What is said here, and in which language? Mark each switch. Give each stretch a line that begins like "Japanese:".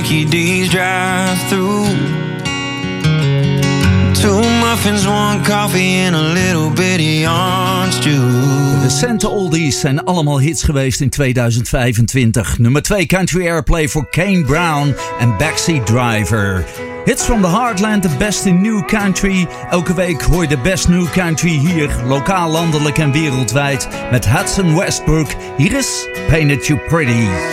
English: D's drive-thru. Two muffins, one coffee and a little bitty orange juice.
Dutch: Santa Oldies zijn allemaal hits geweest in 2025. Nummer 2 country airplay voor Kane Brown en Backseat Driver.
English: Hits from the Heartland, the best in new country.
Dutch: Elke week hoor je de
English: best new country
Dutch: hier, lokaal, landelijk en wereldwijd. Met Hudson Westbrook. Hier is Painted You Pretty.